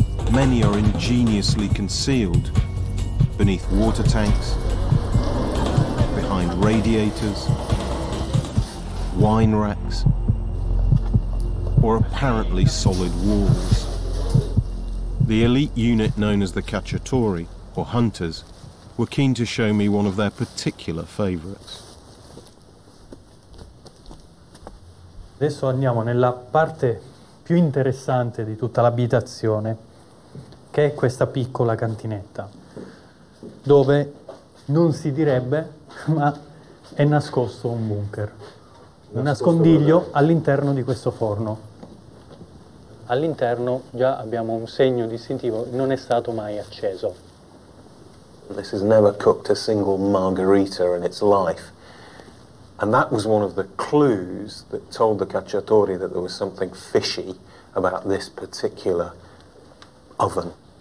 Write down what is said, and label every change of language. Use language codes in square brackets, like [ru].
[en] Many are ingeniously concealed beneath water tanks, behind radiators, wine racks, or apparently solid walls. The elite unit known as the cacciatori, or hunters, were keen to show me one of their particular favorites. [it] Adesso andiamo nella parte più interessante di tutta l'abitazione. Che è questa piccola cantinetta, dove non si direbbe, ma è nascosto un bunker. Un nascondiglio all'interno di questo forno. All'interno già abbiamo un segno distintivo, non è stato mai acceso. [en] This has never cooked a single margherita in its life. And that was one of the clues that told the cacciatori that there was something fishy about this particular oven.